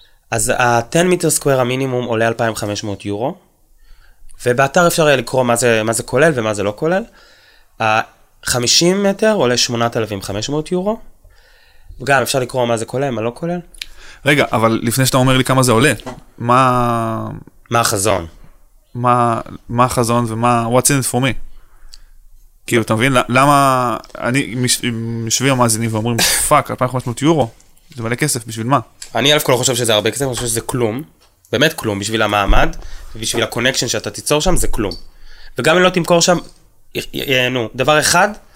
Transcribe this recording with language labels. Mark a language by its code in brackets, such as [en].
[he] אז ה-10 מטר סקוואר המינימום עולה 2,500 יורו, ובאתר אפשר יהיה לקרוא מה זה כולל ומה זה לא כולל. 50 מטר עולה 8,500 יורו. וגם אפשר לקרוא מה זה כולל, מה לא כולל. רגע, אבל לפני שאתה אומר לי כמה זה עולה, מה החזון? מה החזון ומה, [en] what's in it for me? [he] כאילו, אתה מבין? למה אני משווים המאזינים ואומרים, פאק, 2,500 יורו, זה מלא כסף, בשביל מה? אני אלף כל חושב שזה הרבה כסף, אני חושב שזה כלום, באמת כלום, בשביל המעמד, ובשביל הקונקשן שאתה תיצור שם, זה כלום. וגם אם לא תמכור שם, נו, דבר אחד,